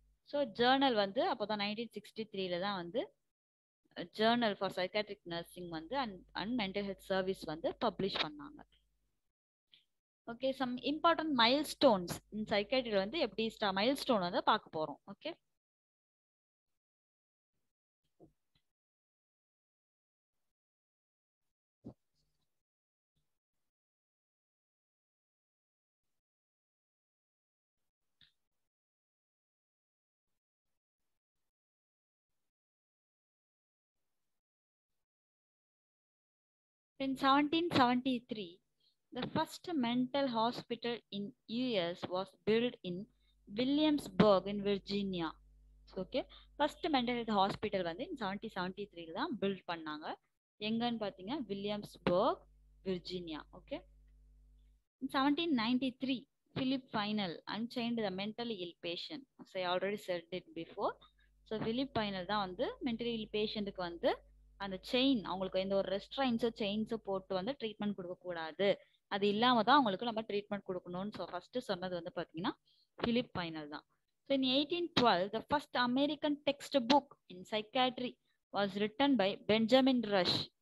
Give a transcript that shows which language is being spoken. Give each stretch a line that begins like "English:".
Tamil: So Journal வந்து அப்போ தான் 1963 தான் வந்து ஜேர்னல் ஃபார் சைக்காட்ரிக் நர்சிங் வந்து அண்ட் மென்டல் ஹெல்த் சர்வீஸ் வந்து பப்ளிஷ் பண்ணாங்க. Okay,
English: some important milestones in
Tamil: சைக்காட்ரியில் வந்து எப்படி மைல் ஸ்டோன் வந்து பார்க்க போகிறோம்.
English: Okay, in 1773 the first mental hospital in US was built in Williamsburg in Virginia. So, okay, first mental health hospital vandu in 1773
Tamil: la build pannanga, enga nu pathinga
English: Williamsburg Virginia. Okay, in 1793 Philip Final unchained the mentally ill patient, as I already said it before.
Tamil: So Philip Final da vandu mentally ill patient ku vandu அந்த chain, அவங்களுக்கு எந்த ஒரு ரெஸ்ட்ரைன்ஸோ செயின்ஸோ போட்டு வந்து treatment கொடுக்கக்கூடாது, அது இல்லாமல் தான் அவங்களுக்கு நம்ம ட்ரீட்மெண்ட் கொடுக்கணும்னு. ஸோ ஃபஸ்ட்டு சொன்னது வந்து பார்த்தீங்கன்னா ஃபிலிப் ஃபைனல் தான்.
English: So in 1812 the first American textbook in psychiatry was written by Benjamin Rush.